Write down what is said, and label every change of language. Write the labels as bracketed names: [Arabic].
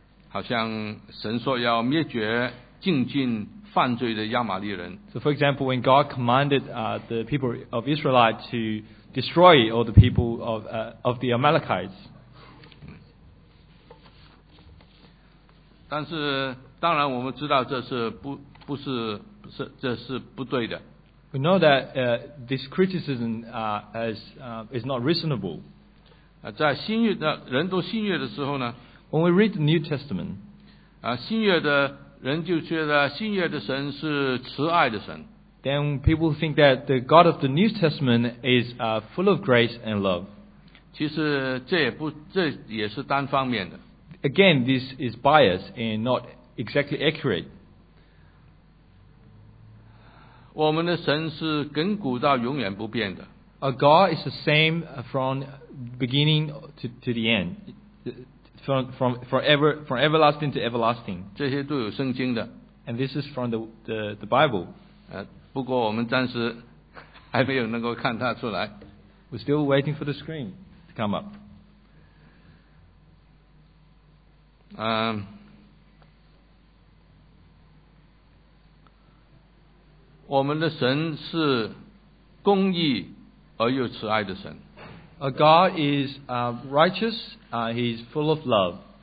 [Chinese] 好像神说要灭绝敬敬犯罪的亚玛利人。 [English] So for example, when God commanded the people of Israelite to destroy all the people of the Amalekites. [Chinese] 但是当然我们知道这是不是这是不对的。 [English] We know that this criticism is not reasonable. [Chinese] 在新约的人都新约的时候呢， [English] When we read the New Testament, [Chinese] 新约的人就觉得新约的神是慈爱的神。 [English] Then people think that the God of the New Testament is full of grace and love. [Chinese] 其实这也是单方面的。 [English] Again, this is biased and not exactly accurate. [Chinese] 我们的神是亘古到永远不变的。 [English] Our God is the same from beginning to the end, from everlasting to everlasting. [Chinese] 这些都有圣经的。 [English] And this is from the Bible. [Chinese] 不过我们暂时还没有能够看它出来。 [English] We're still waiting for the screen to come up. [Chinese] 我们的神是公义而又慈爱的神。 [English] Our God is righteous, he's full of love.